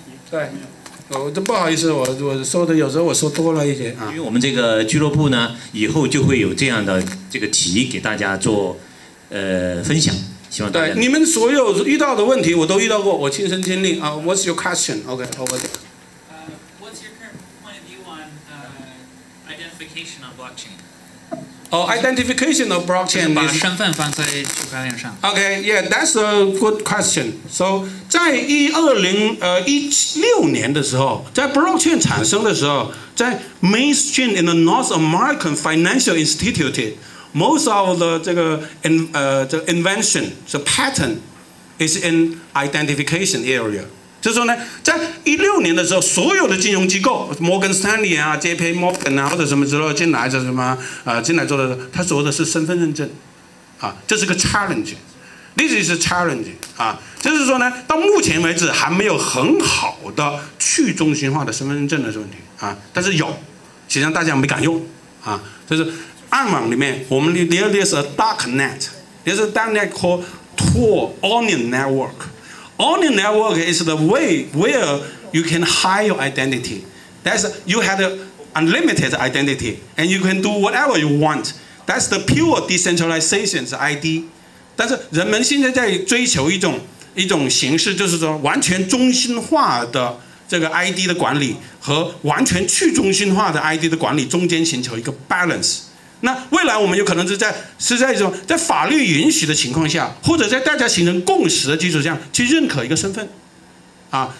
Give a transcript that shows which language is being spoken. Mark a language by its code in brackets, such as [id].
[zh] 对。哦，这不好意思，我说的有时候我说多了一些啊。因为我们这个俱乐部呢，以后就会有这样的这个题给大家做分享，希望大家。对，你们所有遇到的问题我都遇到过，我亲身经历啊。 [en] What's your question? Okay, over there. What's your current point of view on identification on blockchain? Identification of blockchain is [zh] 把身份放在区块链上。 [en] Okay, yeah, that's a good question. So, [zh] 在2016年的时候，在 blockchain 产生的时候，在 [en] mainstream in the North American financial institute, most of the [zh] 这个这 [en] invention, the pattern, is in identification area. [zh] 就是说呢，在2016年的时候，所有的金融机构，摩根斯坦利啊、JP Morgan 啊或者什么之类进来，这什么进来做的，他做的是身份认证，啊，这是个 challenge， [en] this is a challenge， [zh] 啊，就是说呢，到目前为止还没有很好的去中心化的身份认证的问题啊，但是有，实际上大家没敢用啊，就是暗网里面，我们 [en] there is a dark net， there's a dark net called Tor Onion Network。 Onion Network is the way where you can hide your identity. That's you had an unlimited identity and you can do whatever you want. That's the pure decentralization's ID。 [zh] 但是人们现在在追求一种形式，就是说完全中心化的这个 ID 的管理和完全去中心化的 ID 的管理中间寻求一个 balance。那未来我们有可能是在法律允许的情况下，或者在大家形成共识的基础上去认可一个身份啊。